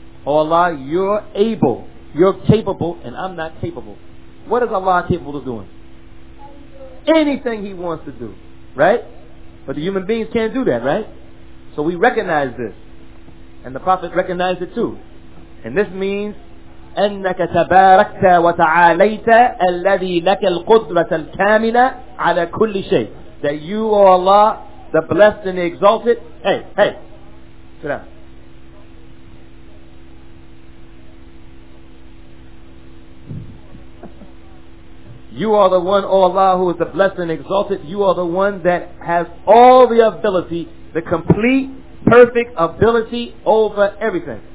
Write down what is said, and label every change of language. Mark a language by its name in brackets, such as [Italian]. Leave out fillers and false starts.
[English] Oh Allah, you're able. You're capable, and I'm not capable. What is Allah capable of doing? Anything He wants to do. Right? But the human beings can't do that, right? So we recognize this. And the Prophet recognized it too. And this means, [Arabic] أَنَّكَ تَبَارَكْتَ وَتَعَالَيْتَ الَّذِي لَكَ الْقُدْرَةَ الْكَامِلَةَ عَلَى كُلِّ شَيْءٍ. [English] That you, O Allah, the blessed and the exalted, hey, sit down. You are the one, O Allah, who is the blessed and exalted. You are the one that has all the ability, the complete, perfect ability over everything.